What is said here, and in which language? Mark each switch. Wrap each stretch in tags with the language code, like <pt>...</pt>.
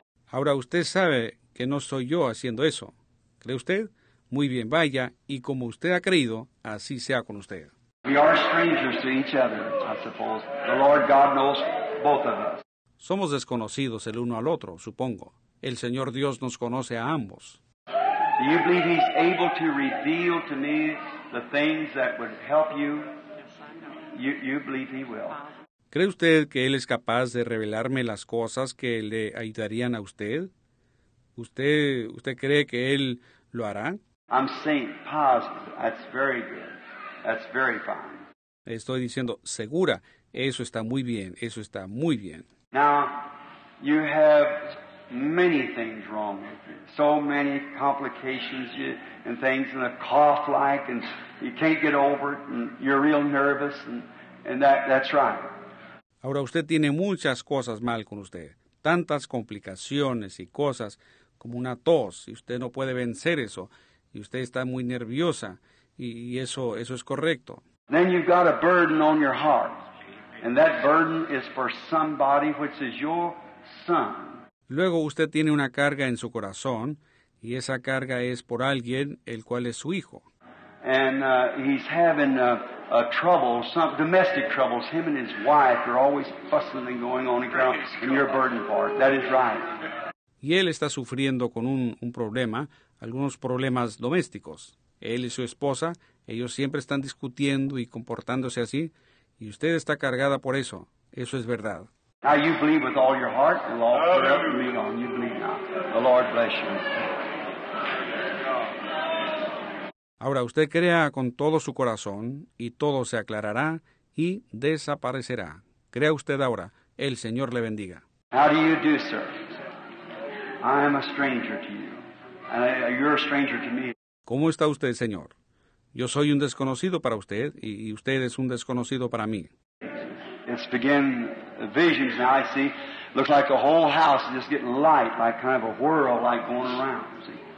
<es>Ahora usted sabe que no soy yo haciendo eso. ¿Cree usted? Muy bien, vaya, y como usted ha creído, así sea con usted.</es> <en>We are strangers to each other, I suppose. The Lord God knows both of us.</en> <es>Somos desconocidos el uno al otro, supongo. El Señor Dios nos conoce a ambos.</es> <en>Do you believe he's able to reveal to me the things that would help you? You believe he will.</en> <es>¿Cree usted que él es capaz de revelarme las cosas que le ayudarían a usted? ¿Usted cree que él lo hará?</es> <en>I'm saying positive. That's very good. That's very fine.</en> <es>Estoy diciendo segura. Eso está muy bien. Eso está muy bien.</es> <en>Now, you have many things wrong with you. So many complications and things and a cough like and you can't get over it and you're real nervous and that's right.</en> <es>Ahora usted tiene muchas cosas mal con usted, tantas complicaciones y cosas como una tos, y usted no puede vencer eso, y usted está muy nerviosa, y eso es correcto.</es> <en>Then you've got a burden on your heart, and that burden is for somebody which is your son.</en> <es>Luego usted tiene una carga en su corazón, y esa carga es por alguien el cual es su hijo.</es> <en>And he's having a trouble, some domestic troubles. Him and his wife are always fussing and going on and around. And your burden for it. That is right.</en> <es>Y él está sufriendo con un problema, algunos problemas domésticos. Él y su esposa, ellos siempre están discutiendo y comportándose así. Y usted está cargada por eso. Eso es verdad.</es> <en>Now you believe with all your heart. The Lord put up and lean on. You believe now. The Lord bless you.</en> <es>Ahora usted crea con todo su corazón y todo se aclarará y desaparecerá. Crea usted ahora. El Señor le bendiga.</es> <en>How do you do, sir? I am a stranger to you. You're a stranger to me.</en> <es>¿Cómo está usted, Señor? Yo soy un desconocido para usted y usted es un desconocido para mí.</es> <en>It's begin visions now, I see. Looks like a whole house is just getting light, like kind of a whirl, like going around, see.</en>